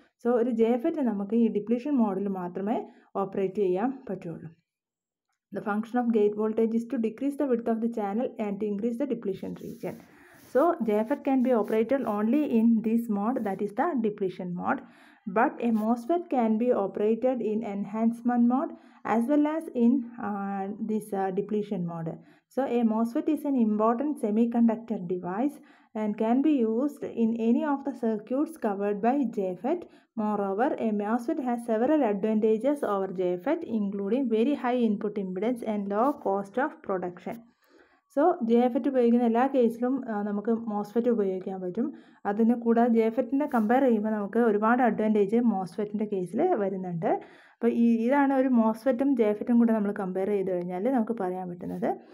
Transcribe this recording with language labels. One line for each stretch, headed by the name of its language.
Malayalam: So ഒരു ജെഫെറ്റ് നമുക്ക് ഈ ഡിപ്ലിഷൻ മോഡിൽ മാത്രമേ ഓപ്പറേറ്റ് ചെയ്യാൻ പറ്റുള്ളൂ.
English: The function of gate voltage is to decrease the width of the channel and increase the depletion region. So JFET can be operated only in this mode, that is the depletion mode. But a MOSFET can be operated in enhancement mode as well as in this depletion mode. So a MOSFET is an important semiconductor device and can be used in any of the circuits covered by JFET. Moreover, a MOSFET has several advantages over JFET, including very high input impedance and low cost of production.
Malayalam: So ജെഫെറ്റ് ഉപയോഗിക്കുന്ന എല്ലാ കേസിലും നമുക്ക് MOSFET ഉപയോഗിക്കാൻ പറ്റും. അതിന് കൂടാതെ ജെഫെറ്റിനെ compare ചെയ്യുമ്പോൾ നമുക്ക് ഒരുപാട് അഡ്വാൻറ്റേജ് മോസ്ഫെറ്റിൻ്റെ കേസിൽ വരുന്നുണ്ട്. അപ്പോൾ ഇതാണ് ഒരു മോസ്ഫെറ്റും ജെഫെറ്റും കൂടെ നമ്മൾ കമ്പയർ ചെയ്ത് കഴിഞ്ഞാൽ നമുക്ക് പറയാൻ പറ്റുന്നത്.